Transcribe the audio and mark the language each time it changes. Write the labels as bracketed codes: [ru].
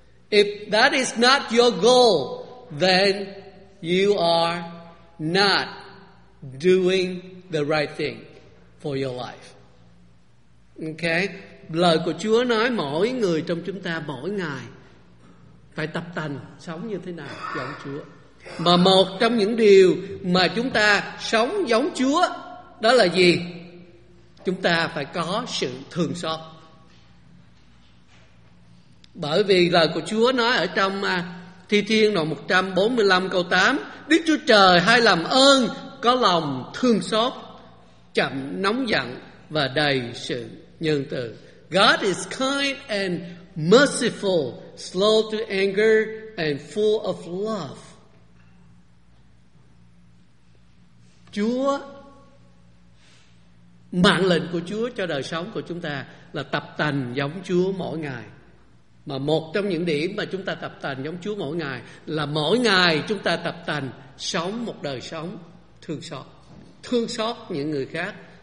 [en] If that is not your goal, then you are not doing the right thing for your life. Okay? [vi] Lời của Chúa nói mỗi người trong chúng ta mỗi ngày phải tập tành sống như thế nào giống Chúa. Mà một trong những điều mà chúng ta sống giống Chúa đó là gì? Chúng ta phải có sự thương xót. Bởi vì lời của Chúa nói ở trong Thi Thiên đoạn 145 câu 8: Đức Chúa Trời hay làm ơn, có lòng thương xót, chậm nóng giận và đầy sự nhân từ. [en] God is kind and merciful, slow to anger and full of love. [vi] Chúa, mạng lệnh của Chúa cho đời sống của chúng ta là tập tành giống Chúa mỗi ngày. Mà một trong những điểm mà chúng ta tập tành giống Chúa mỗi ngày là mỗi ngày chúng ta tập tành sống một đời sống thương xót những người khác.